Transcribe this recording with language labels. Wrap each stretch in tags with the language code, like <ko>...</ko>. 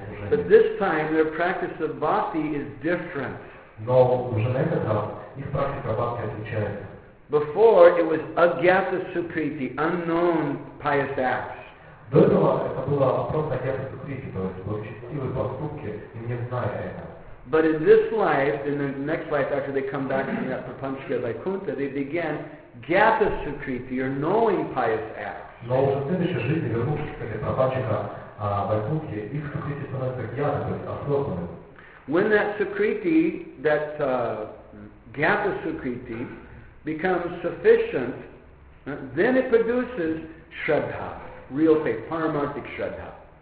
<en>But this time, their practice of bhakti is different.</en> <ru>Но уже на этот раз их практика бхакти отличается.</ru> <en>Before it was agyata sukriti, unknown pious acts.</en> <ru>До этого это было просто агьята сукрити, то есть благочестивые поступки, и не зная это.</ru> <en>But in this life, in the next life after they come back from that prapanchika Vaikuntha, they began gyata sukriti, or knowing pious acts.</en> <ru>Но уже в следующей жизни, вернувшись к прапанчика Вайкунте, их сукрити становится гьята, то есть осознанным.</ru> <en>When that sukriti, that gyata sukriti, becomes sufficient, then it produces shraddha, real faith, paramarthic shraddha.</en>